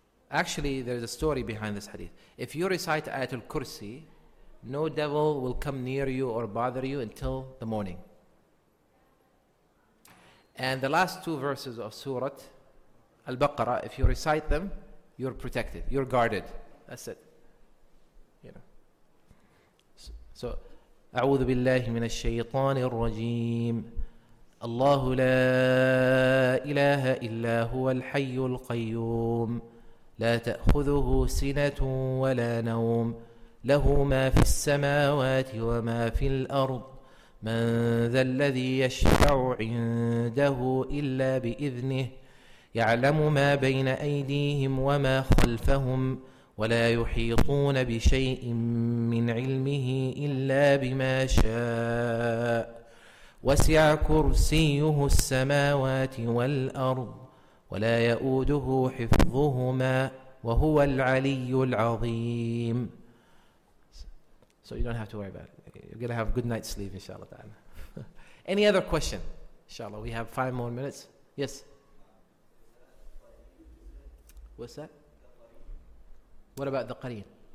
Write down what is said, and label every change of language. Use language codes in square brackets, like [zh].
[en] Actually, there's a story behind this hadith. If you recite Ayatul Kursi, no devil will come near you or bother you until the morning. And the last two verses of Surah Al-Baqarah, if you recite them, you're protected, you're guarded. That's it. You know. [ar] So, أعوذ بالله من الشيطان الرجيم. الله لا إله إلا هو الحي القيوم. لا تأخذه سنة ولا نوم. له ما في السماوات وما في الأرض. من ذا الذي يشفع عنده إلا بإذنه. يعلم ما بين أيديهم وما خلفهم. ولا يحيطون بشيء من علمه إلا بما شاء. وسع كرسيه السماوات والأرض. ولا يؤوده حفظهما وهو العلي العظيم. [en] So you don't have to worry about it. You're gonna have a good night's sleep, inshallah ta'ala. Any other question? Inshallah, we have 5 more minutes. Yes. What's that? What about the Qareen?